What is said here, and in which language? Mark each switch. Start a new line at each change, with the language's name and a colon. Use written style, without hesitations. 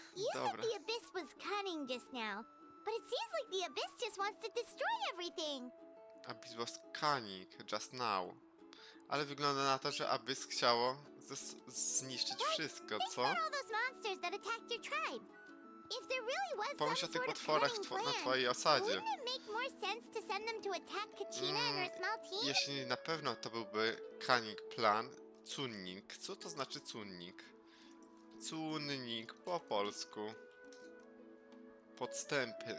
English: The Abyss was cunning just now, but it seems like the Abyss just wants to destroy everything. Abyss was cunning just now.
Polish: Ale wygląda na to, że Abyss chciało zniszczyć wszystko, co?
English: All those monsters that attacked your tribe. If there really was some
Polish: pomyśl o tych potworach na twojej osadzie.
English: Wouldn't it make more sense to send them to attack Katina and her small team?
Polish: Jeśli na pewno to byłby
English: cunning plan,
Polish: cunning. Co to znaczy cunning? Cunnik po polsku. Podstęp.